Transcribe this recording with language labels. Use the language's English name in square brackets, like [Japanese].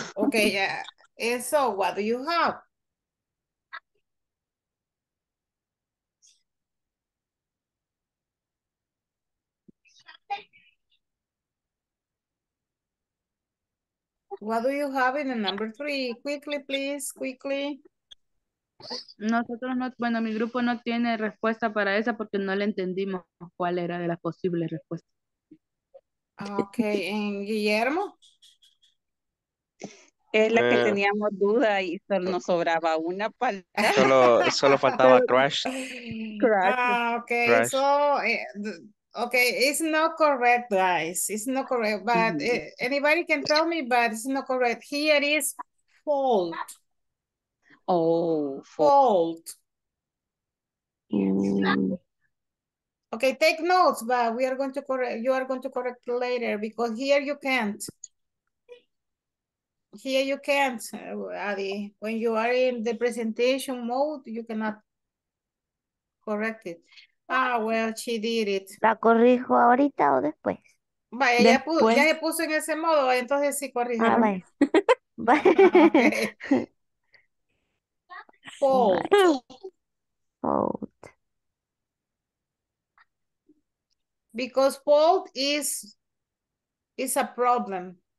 [English] Okay, yeah. And so what do you have? What do you have in the number three? Quickly, please, quickly. [Spanish] Nosotros no, bueno, mi grupo no tiene respuesta para esa porque no le entendimos cuál era de las posibles respuestas. Ok, ¿en Guillermo? Es la que teníamos duda y solo nos sobraba una palabra. Solo faltaba crash. [English] Crash. Ah, ok, crash. So... Okay, it's not correct, guys. It's not correct, but anybody can tell me, but it's not correct. Here is fault. Oh, fault. Okay, take notes, but we are going to correct, you are going to correct later because here you can't. Here you can't, Adi. When you are in the presentation mode, you cannot correct it. Ah, well, she did it. [Spanish] ¿La corrijo ahorita o después? Vaya, después. Ya se puso en ese modo, entonces sí corrijo. Ah, vaya. [English] Fault. Because fault is a problem.